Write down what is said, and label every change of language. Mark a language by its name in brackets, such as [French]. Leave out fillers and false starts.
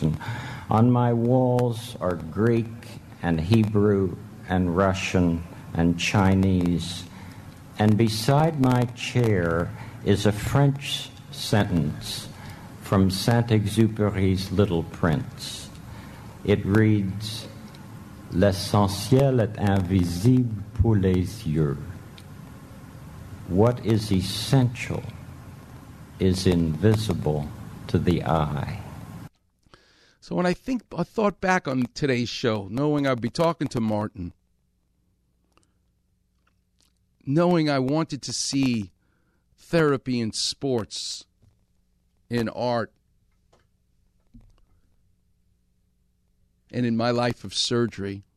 [English] And on my walls are Greek and Hebrew and Russian and Chinese. And beside my chair is a French sentence from Saint-Exupéry's Little Prince. It reads, [French] "L'essentiel est invisible pour les yeux." [English] What is essential is invisible to the eye. So when I thought back on today's show, knowing I'd be talking to Martin, knowing I wanted to see therapy in sports, in art, and in my life of surgery.